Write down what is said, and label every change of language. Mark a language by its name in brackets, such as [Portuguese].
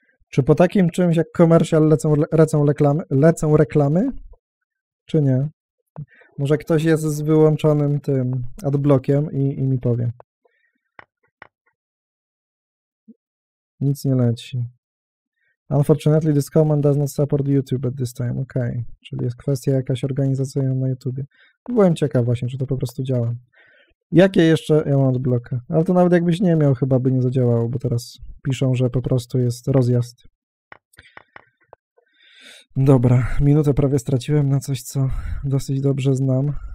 [Polish] Czy po takim czymś jak commercial lecą reklamy? Czy nie? Może ktoś jest z wyłączonym tym adblockiem i mi powie. Nic nie leci. [English] Unfortunately, this command does not support YouTube at this time. [Polish] Ok, czyli jest kwestia jakaś organizacyjna na YouTubie. Byłem ciekaw właśnie, czy to po prostu działa. Jakie jeszcze ja mam odblokę? Ale to nawet jakbyś nie miał, chyba by nie zadziałało, bo teraz piszą, że po prostu jest rozjazd. Dobra, minutę prawie straciłem na coś, co dosyć dobrze znam.